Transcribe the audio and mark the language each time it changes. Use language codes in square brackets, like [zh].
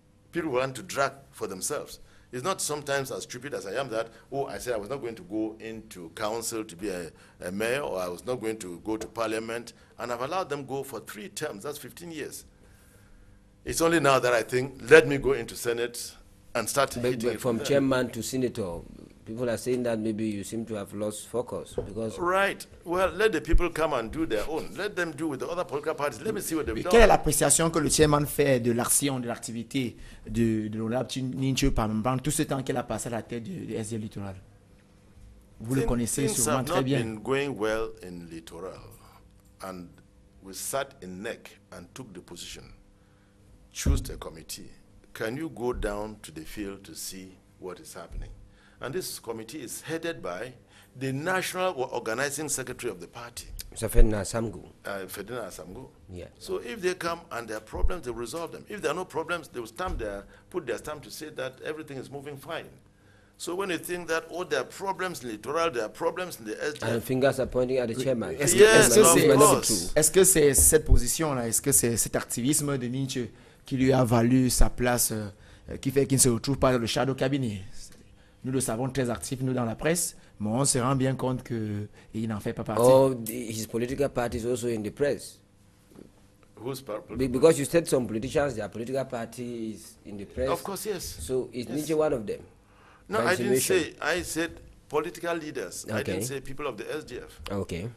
[en] People want to drag for themselves. It's not sometimes as stupid as I am that, oh, I said I was not going to go into council to be a mayor, or I was not going to go to parliament, and I've allowed them go for 3 terms, that's 15 years. It's only now that I think, let me go into Senate and start hitting. From chairman to senator, people are saying that maybe you seem to have lost focus because... Right. Well, let the people come and do their own. Let them do with the other political parties. Let me see what they've done. [fr] Quelle est l'appréciation que le chairman fait de l'action, de l'activité de l'honorable Ninche pendant tout ce temps qu'elle a passé à la tête de SD Littoral? Vous le connaissez sûrement très bien. [en] Things have not been going well in Littoral. And we sat in neck and took the position. Choose the committee. Can you go down to the field to see what is happening? And this committee is headed by the national organizing secretary of the party. Mr. Ferdinand Asamgu. Ferdinand Asamgu. Yeah. So if they come and there are problems, they resolve them. If there are no problems, they will stamp their, put their stamp to say that everything is moving fine. So when you think that, oh, there are problems in the Littoral, there are problems in the SDF. And fingers are pointing at the chairman. [fr] Est-ce que c'est cette position-là, est-ce que c'est cet activisme de Ninche qui lui a valu sa place, qui fait qu'il ne se retrouve pas dans le shadow cabinet? Nous le savons très actif, nous, dans la presse, mais on se rend bien compte qu'il n'en fait pas partie. [en] Oh, his political party is also in the press. Who's political? Because you said some politicians, their political party is in the press. Of course, yes. So is Ninche one of them? No, I didn't say. I said political leaders. Okay. I didn't say people of the SDF. Okay.